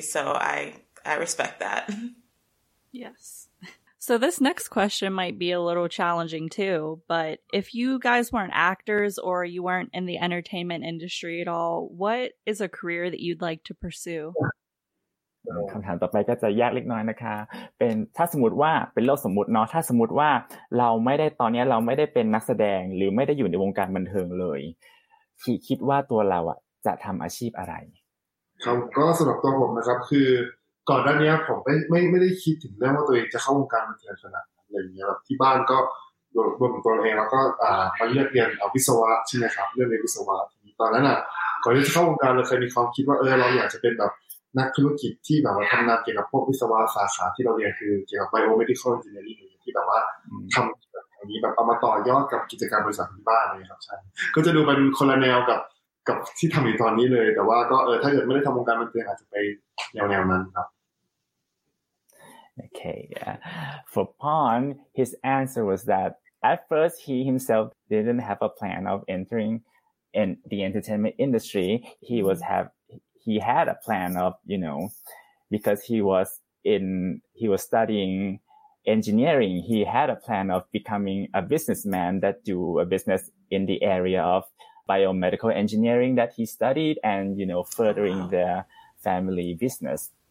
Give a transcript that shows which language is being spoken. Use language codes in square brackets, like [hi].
[en] So I respect that. Yes. So this next question might be a little challenging too, but if you guys weren't actors or you weren't in the entertainment industry at all, what is a career that you'd like to pursue? [th] คำถามต่อไปก็จะยากเล็กน้อยนะคะเป็นถ้าสมมติว่าเป็นโลกสมมติเนาะถ้าสมมติว่าเราไม่ได้ตอนนี้เราไม่ได้เป็นนักแสดงหรือไม่ได้อยู่ในวงการบันเทิงเลยคิดว่าตัวเราอ่ะจะทำอาชีพอะไร ครับก็สำหรับตัวผมนะครับคือก่อนหน้านี้ผมไม่ได้คิดถึงเรื่องว่าตัวเองจะเข้าวงการบันเทิงขนาดอะไรอย่างเงี้ยแบบที่บ้านก็รวมตัวเองแล้วก็มาเลือกเรียนวิศวะใช่ไหมครับเลือกเรียนวิศวะทีนี้ตอนนั้นอ่ะ ก่อนที่จะเข้าวงการเราเคยมีความคิดว่าเราอยากจะเป็นแบบนักธุรกิจที่แบบว่าทำงานเกี่ยวกับพวกวิศวะสาขาที่เราเรียนคือเกี่ยวกับ biomedical engineering ที่แบบว่าทำอันนี้แบบเอามาต่อยอดกับกิจการบริษัทที่บ้านเลยครับใช่ก็จะดูเป็นคนละแนวกับที่ทำอยู่ตอนนี้เลยแต่ว่าก็ถ้าเกิดไม่ได้ทำวงการบันเทิงอาจจะไปแนวนั้นครับ [en] โอเค for Pon his answer was that at first he himself didn't have a plan of entering in the entertainment industry. He had a plan of, you know, because he was studying engineering, he had a plan of becoming a businessman that do a business in the area of biomedical engineering that he studied and, you know, furthering the family business.